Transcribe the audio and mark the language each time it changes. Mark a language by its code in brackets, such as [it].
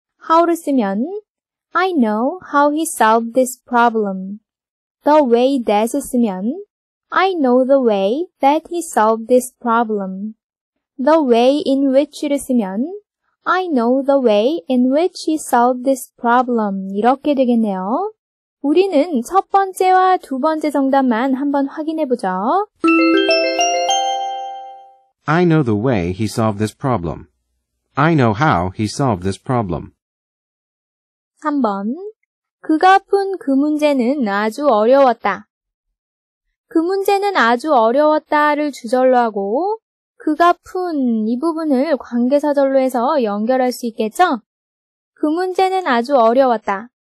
[en] How를 쓰면 I know how he solved this problem. The way that을 쓰면 I know the way that he solved this problem. The way in which를 쓰면 I know the way in which he solved this problem. [ko] 이렇게 되겠네요. 우리는 첫 번째와 두 번째 정답만 한번 확인해 보죠. [en] I know the way he solved this problem. I know how he solved this problem. [ko] 3번. 그가 푼 그 문제는 아주 어려웠다. 그 문제는 아주 어려웠다를 주절로 하고 그가 푼 이 부분을 관계사절로 해서 연결할 수 있겠죠? 그 문제는 아주 어려웠다.